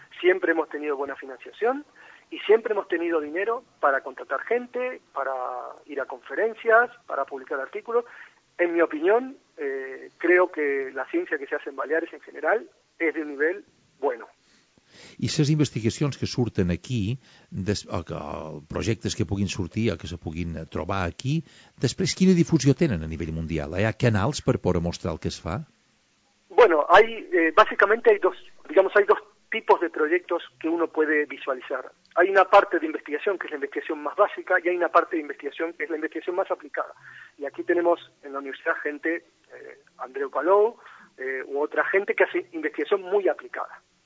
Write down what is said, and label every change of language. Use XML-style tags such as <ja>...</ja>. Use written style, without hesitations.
<es>Siempre hemos tenido buena financiación y siempre hemos tenido dinero para contratar gente, para ir a conferencias, para publicar artículos. En mi opinión, creo que la ciencia que se hace en Baleares en general es de un nivel bueno.</es> <ca>I les investigacions que surten aquí, projectes que puguin sortir o que se puguin trobar aquí, després quina difusió tenen a nivell mundial? Hi ha canals per poder mostrar el que es fa?</ca> <es>Bueno, hay dos tipos de proyectos que uno puede visualizar. Hay una parte de investigación que es la investigación más básica y hay una parte de investigación que es la investigación más aplicada. Y aquí tenemos en la universidad gente, Andreu Palou, u otra gente que hace investigación muy aplicada.</es>